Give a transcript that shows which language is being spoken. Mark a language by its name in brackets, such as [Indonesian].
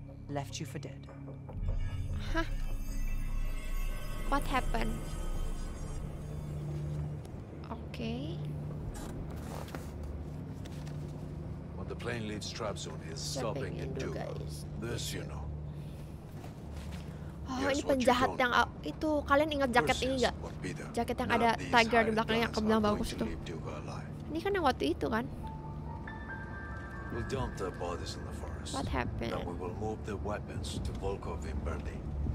[English] Left you for dead. Huh? What happened? Okay. What the plane leaves traps on is stopping in Duba. This you know. [Indonesian] Oh, ini penjahat yang itu. Kalian ingat jaket ini enggak? Jaket yang ada tiger di belakangnya yang kebelang bagus itu. Ini kan yang waktu itu kan? [English] We'll dump their bodies in the forest. What happened? Then we will move the weapons to Volkov in Berlin.